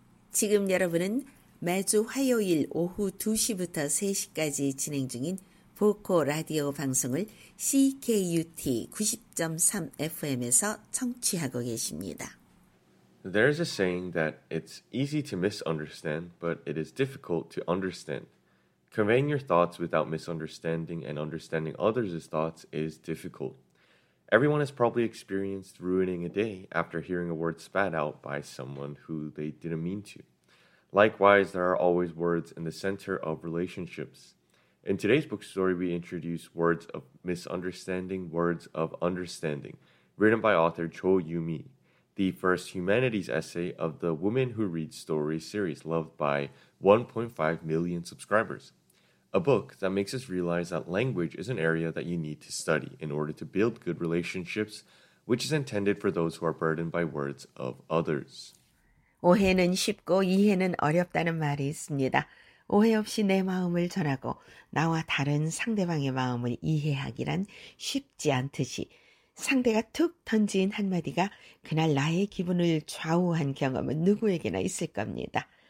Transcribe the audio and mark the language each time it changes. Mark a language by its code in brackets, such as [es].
[ko] 지금 여러분은 매주 화요일 오후 2시부터 3시까지 진행 중인 보코 라디오 방송을 CKUT 90.3 FM에서 청취하고 계십니다. [en] There is a saying that it's easy to misunderstand, but it is difficult to understand. Conveying your thoughts without misunderstanding and understanding others' thoughts is difficult. Everyone has probably experienced ruining a day after hearing a word spat out by someone who they didn't mean to. Likewise, there are always words in the center of relationships. In today's book story, we introduce words of misunderstanding, words of understanding, written by author Cho Yumi, the first humanities essay of the Women Who Read Stories series, loved by 1.5 million subscribers. A book that makes us realize that language is an area that you need to study in order to build good relationships, which is intended for those who are burdened by words of others. [ko] 오해는 쉽고 이해는 어렵다는 말이 있습니다. 오해 없이 내 마음을 전하고 나와 다른 상대방의 마음을 이해하기란 쉽지 않듯이 상대가 툭 던진 한마디가 그날 나의 기분을 좌우한 경험은 누구에게나 있을 겁니다.